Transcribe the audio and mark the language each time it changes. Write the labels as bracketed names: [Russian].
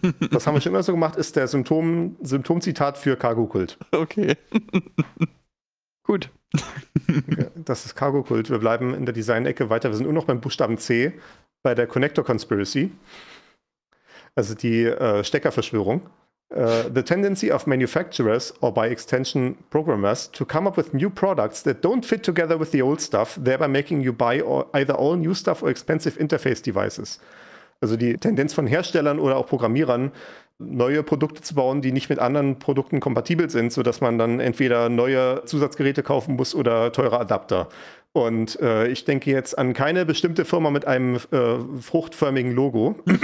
[German] Das haben wir schon immer so gemacht, ist der Symptomzitat für Cargo-Kult. Okay. Gut. Okay, das ist Cargo-Kult. Wir bleiben in der Design-Ecke weiter. Wir sind nur noch beim Buchstaben C, bei der Connector-Conspiracy. Also die Steckerverschwörung. [English] The tendency of manufacturers, or by extension programmers, to come up with new products that don't fit together with the old stuff, thereby making you buy either all new stuff or expensive interface devices. [German] Also die Tendenz von Herstellern oder auch Programmierern, neue Produkte zu bauen, die nicht mit anderen Produkten kompatibel sind, sodass man dann entweder neue Zusatzgeräte kaufen muss oder teure Adapter. Und ich denke jetzt an keine bestimmte Firma mit einem fruchtförmigen Logo.